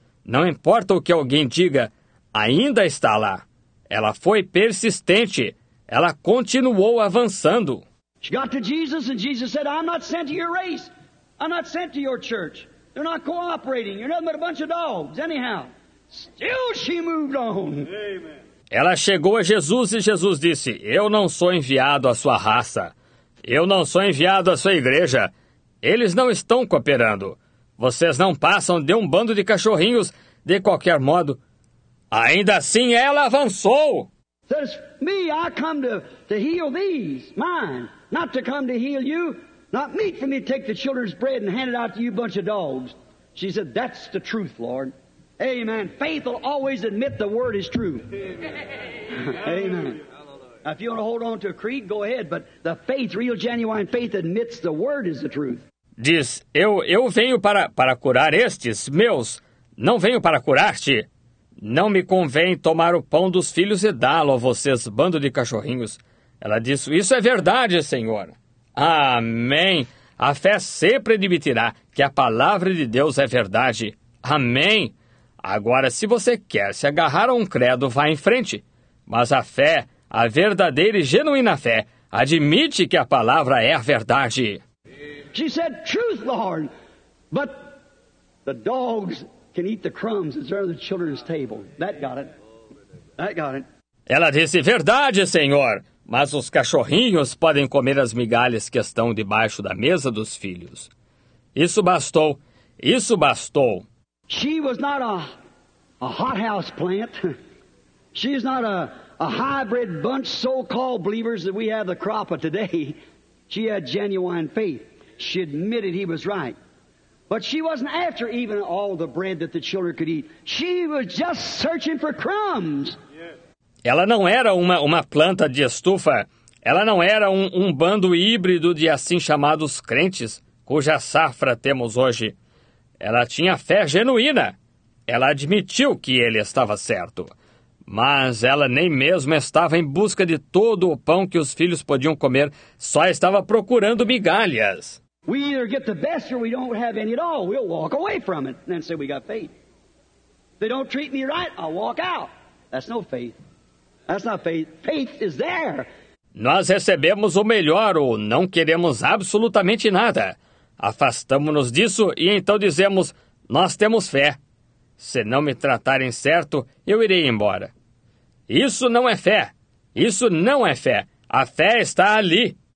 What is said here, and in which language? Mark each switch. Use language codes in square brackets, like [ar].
[pt] Não importa o que alguém diga, ainda está lá. Ela foi persistente. Ela continuou avançando. [en] She got to Jesus and Jesus said, I'm not sent to your race. I'm not sent to your church. They're not cooperating. You're nothing but a bunch of dogs, anyhow. Still she moved on. Amen. [pt] Ela chegou a Jesus e Jesus disse, eu não sou enviado à sua raça. Eu não sou enviado à sua igreja. Eles não estão cooperando. Vocês não passam de um bando de cachorrinhos de qualquer modo. Ainda assim, ela avançou. [en] Says me, I come to heal these, mine, not to come to heal you, not meet for me to take the children's bread and hand it out to you bunch of dogs. She said, that's the truth, Lord. Amen. Faith will always admit the word is true. Amen. Amen. Now, if you want to hold on to a creed, go ahead, but the faith, real genuine faith, admits the word is the truth. [pt] Diz, eu venho para curar estes meus, não venho para curar-te. Não me convém tomar o pão dos filhos e dá-lo a vocês, bando de cachorrinhos. Ela disse, isso é verdade, Senhor. Amém. A fé sempre admitirá que a palavra de Deus é verdade. Amém. Agora, se você quer se agarrar a um credo, vá em frente. Mas a fé, a verdadeira e genuína fé, admite que a palavra é a verdade. [en] She said, truth, Lord, but the dogs can eat the crumbs that's under the children's table. That got it. That got it. [pt] Ela disse, verdade, Senhor, mas os cachorrinhos podem comer as migalhas que estão debaixo da mesa dos filhos. Isso bastou. Isso bastou. [en] She was not a hothouse plant. She is not a hybrid bunch so-called believers that we have the crop of today. She had genuine faith. She admitted he was right. But she wasn't after even all the bread that the children could eat. She was just searching for crumbs. [pt] Ela não era uma planta de estufa. Ela não era um bando híbrido de assim chamados crentes, cuja safra temos hoje. Ela tinha fé genuína. Ela admitiu que ele estava certo. Mas ela nem mesmo estava em busca de todo o pão que os filhos podiam comer. Só estava procurando migalhas. [en] We either get the best or we don't have any at all. We'll walk away from it and then say we got faith. If they don't treat me right, I'll walk out. That's no faith. That's not faith. Faith is there. [pt] Nós recebemos o melhor ou não queremos absolutamente nada. Afastamos-nos disso e então dizemos, nós temos fé. Se não me tratarem certo, eu irei embora. Isso não é fé. Isso não é fé. A fé está ali.